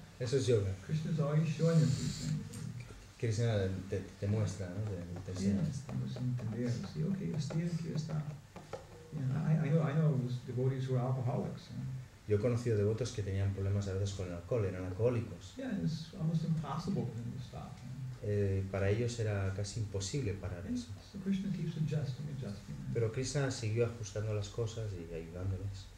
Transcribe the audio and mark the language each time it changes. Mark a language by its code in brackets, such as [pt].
[es] Eso es yoga. [en] Krishna is always showing you things. [es] Krishna te muestra, ¿no? Te enseña. [en] Yeah, [es] sí, okay, está aquí, está. [en] I know those devotees who are alcoholics. [es] Yo he conocido devotos que tenían problemas a veces con el alcohol, eran alcohólicos. [en] Yeah, it's almost impossible for them to stop. [es] Para ellos era casi imposible parar eso. [en] So Krishna keeps adjusting. [es] Pero Krishna siguió ajustando las cosas y ayudándoles.